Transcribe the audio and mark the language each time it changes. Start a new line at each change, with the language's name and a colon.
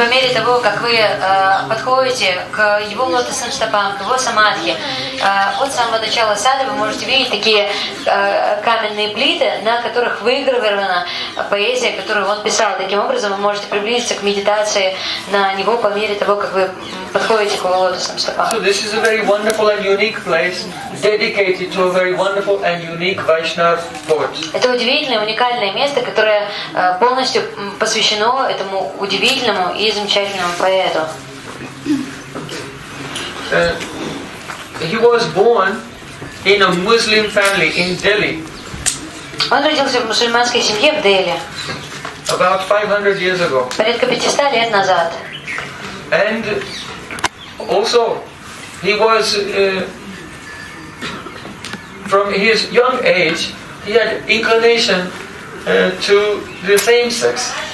Russian: И по мере того, как вы подходите к его лотосным стопам, к его самадхи, от самого начала сада вы можете видеть такие каменные плиты, на которых выгравирована поэзия, которую он писал. Таким образом, вы можете приблизиться к медитации на него по мере того, как вы подходите к его лотосным стопам.
English: So this is a very wonderful and unique place dedicated to a very wonderful and unique Vaishnava poet.
Russian: Это удивительное, уникальное место, которое полностью посвящено этому удивительному и замечательному поэту.
English: He was born in a Muslim family in Delhi.
Russian: Он родился в мусульманской семье в Дели.
English: About 500 years ago.
Russian: Порядка 500 лет назад.
English: And also he was from his young age he had inclination to the same sex.